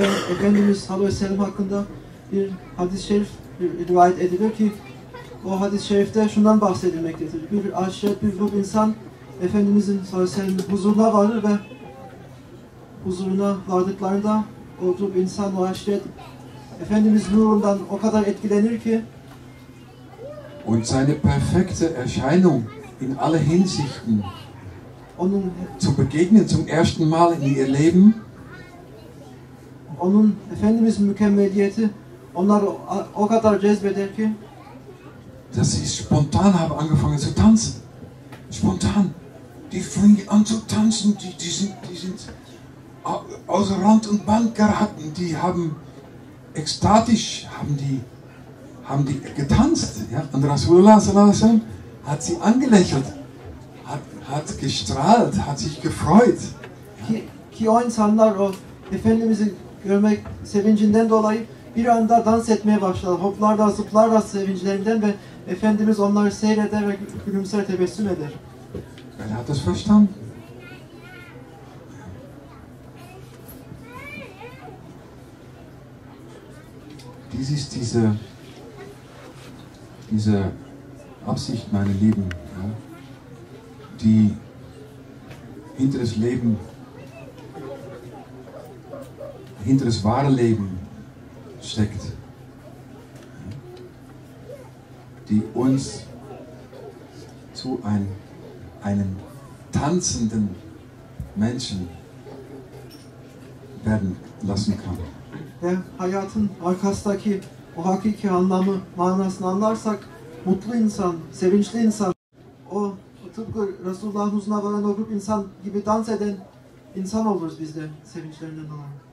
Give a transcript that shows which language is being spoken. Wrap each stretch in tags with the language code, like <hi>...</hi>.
<tr>Efendimiz sallallahu aleyhi ve sellem hakkında bir hadis-i şerif rivayet ediliyor ki o hadis-i şerifte şundan bahsedilmektedir. Bir aşiret, bir insan Efendimizin sallallahu huzuruna vardır ve huzuruna vardıklarında oturup insan o aşiret Efendimiz nurundan o kadar etkilenir ki</tr> <de>und seine perfekte Erscheinung in alle Hinsichten</de> <tr>onun,</tr> <de>zu begegnen zum ersten Mal in ihr Leben</de> <tr>onun Efendimiz mükemmeliyeti onlar o kadar cezbeder ki</tr> <de>dass sie spontan haben angefangen zu tanzen. Spontan. Die fingen an zu tanzen, die sind aus Rand und Band geraten. Die haben ekstatisch haben die getanzt. Ja? Und Rasulullah sallallahu alaihi wasallam hat sie angelächelt, hat gestrahlt, hat sich gefreut.</de> <tr>Ki o insanlar o Efendimiz'i görmek sevincinden dolayı bir anda dans etmeye başladı. Hoplarla zıplarla sevinçlerinden ve Efendimiz onları seyreder ve gülümser tebessüm eder.</tr> <de>Wer hat das verstanden? Dies ist diese Absicht, meine Lieben, ja, die hinter das Leben, hinter das wahre Leben steckt, die uns zu einem tanzenden Menschen werden lassen kann.</de> <tr>Ve hayatın arkasındaki o hakiki anlamı, manasını anlarsak, mutlu insan, sevinçli insan, o tıpkı Resulullah'ın huzuruna varan o grup insan gibi dans eden insan oluruz biz de sevinçlerinden olan.</tr>